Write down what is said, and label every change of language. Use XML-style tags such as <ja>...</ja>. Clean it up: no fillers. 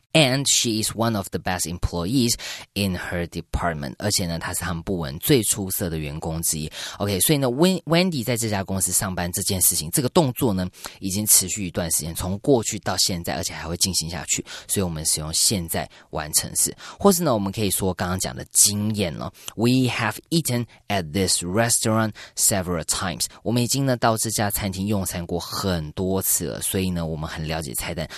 <en>And she is one of the best employees in her department.</en> <zh>而且呢她是他们部门最出色的员工之一。OK, 所以呢 Wendy 在这家公司上班这件事情，这个动作呢已经持续一段时间，从过去到现在，而且还会进行下去。所以我们使用现在完成式。或是呢我们可以说刚刚讲的经验了。</zh> <en>We have eaten at this restaurant several times.</en> <zh>我们已经呢到这家餐厅用餐过很多次了，所以呢我们很了解菜单。</zh>